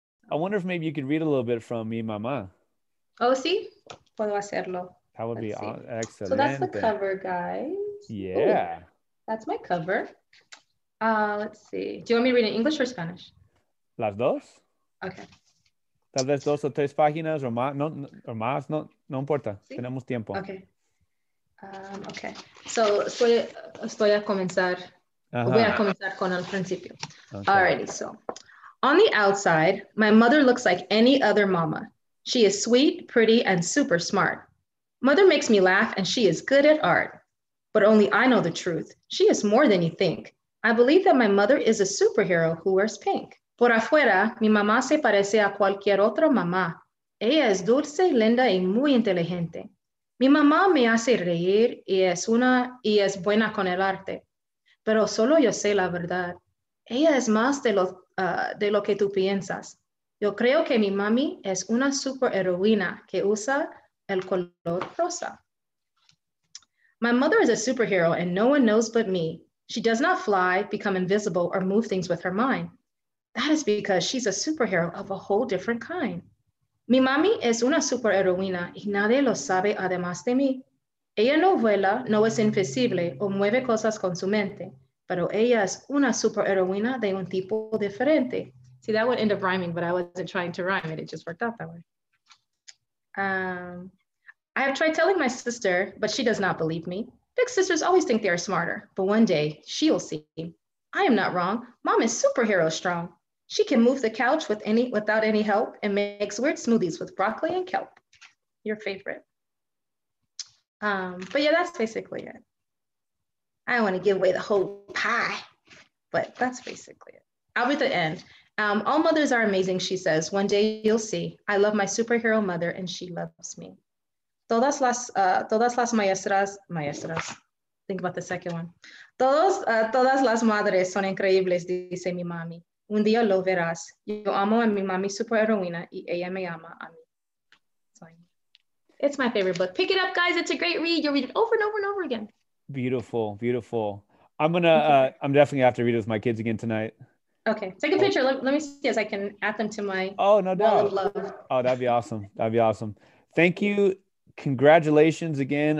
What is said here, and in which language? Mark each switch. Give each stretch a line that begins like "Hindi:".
English: I wonder if maybe you could read a little bit from Mi Mamá.
Spanish: Oh, sí. Puedo hacerlo.
English: That would be excellent. So that's the cover, guys. Yeah. Ooh. That's my cover. Let's see. Do you want me to read in English or Spanish?
Spanish: Las dos.
English: Okay.
Spanish: Tal vez dos o tres páginas o más. No importa. Sí. Tenemos tiempo.
English: Okay. Okay. So
Spanish: estoy a comenzar. Voy a comenzar con el principio.
English: Okay. Alrighty. So, on the outside, my mother looks like any other mama. She is sweet, pretty, and super smart. Mother makes me laugh, and she is good at art. But only I know the truth. She is more than you think. I believe that my mother is a superhero who wears pink.
Spanish: Por afuera, mi mamá se parece a cualquier otra mamá. Ella es dulce, linda y muy inteligente. Mi mamá me hace reír y es buena con el arte. Pero solo yo sé la verdad. Ella es más de lo que tú piensas. Yo creo que mi mami es una superheroína que usa el color rosa.
English: My mother is a superhero and no one knows but me. She does not fly, become invisible, or move things with her mind. That is because she's a superhero of a whole different kind.
Spanish: Mi mami es una superheroína y nadie lo sabe además de mí. Ella no vuela, no es invisible o mueve cosas con su mente, pero ella es una superheroína de un tipo diferente.
English: See, that would end up rhyming, but I wasn't trying to rhyme it. It just worked out that way. I have tried telling my sister, but she does not believe me. Big sisters always think they are smarter, but one day she will see. I am not wrong. Mom is superhero strong. She can move the couch without any help and makes weird smoothies with broccoli and kelp. Your favorite. But yeah, that's basically it. I don't want to give away the whole pie, but that's basically it. I'll be the end. All mothers are amazing, she says. One day you'll see. I love my superhero mother and she loves me.
Spanish: Todas las maestras.
English: Think about the second one.
Spanish: Todas las madres son increíbles, dice mi mami. Un día lo verás. Yo amo a mi mami superheroína y ella me ama a mí.
English: It's my favorite book. Pick it up, guys. It's a great read. You'll read it over and over and over again. Beautiful. I'm definitely gonna have to read it with my kids again tonight. Okay. Take a picture. Let me see if I can add them to my love. Oh, that'd be awesome. That'd be awesome. Thank you. Congratulations again.